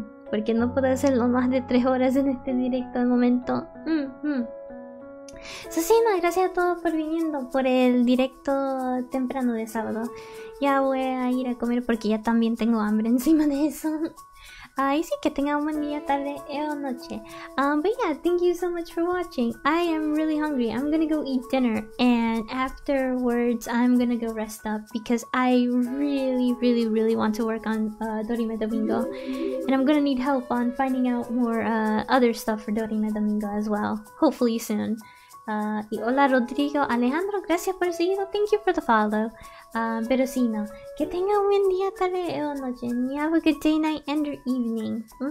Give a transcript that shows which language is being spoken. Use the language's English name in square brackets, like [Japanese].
[Spanish] Porque no puedo hacerlo más de 3 horas en este directo al momento. Susino, gracias a todos por viniendo por el directo temprano de sábado. Ya voy a ir a comer porque ya también tengo hambre encima de eso. Y sí, que tenga un buen día, tarde o noche. [English] But yeah, thank you so much for watching. I am really hungry. I'm gonna go eat dinner. And afterwards, I'm gonna go rest up. Because I really, really, really want to work on Dorime Domingo. And I'm gonna need help on finding out more other stuff for Dorime Domingo as well. Hopefully soon. [Spanish] Y hola, Rodrigo. Alejandro, gracias por seguido. [English] Thank you for the follow. [Spanish] Pero sí, no. Que tenga un buen día, tarde o noche. [English] You have a good day, night, and your evening.